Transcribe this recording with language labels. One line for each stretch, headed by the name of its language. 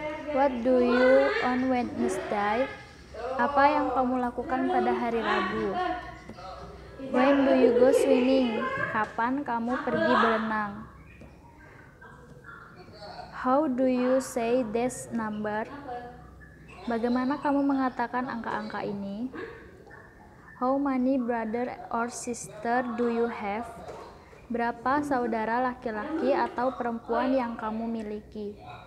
English: What do you on Wednesday?
Indonesian: Apa yang kamu lakukan pada hari Rabu?
English: When do you go swimming?
Indonesian: Kapan kamu pergi berenang?
English: How do you say this number?
Indonesian: Bagaimana kamu mengatakan angka-angka ini?
English: How many brother or sister do you have?
Indonesian: Berapa saudara laki-laki atau perempuan yang kamu miliki?